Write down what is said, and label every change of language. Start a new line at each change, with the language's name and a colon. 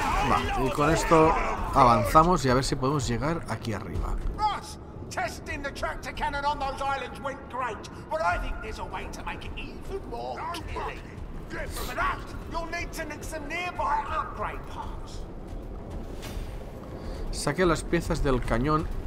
Spanish: Va, y con esto avanzamos y a ver si podemos llegar aquí arriba.
English: Testing the tractor cannon on those islands went great, but I think there's a way to make it even more killing. For that, you'll need to make some nearby upgrade parts.
Spanish: Saqué las piezas del cañón.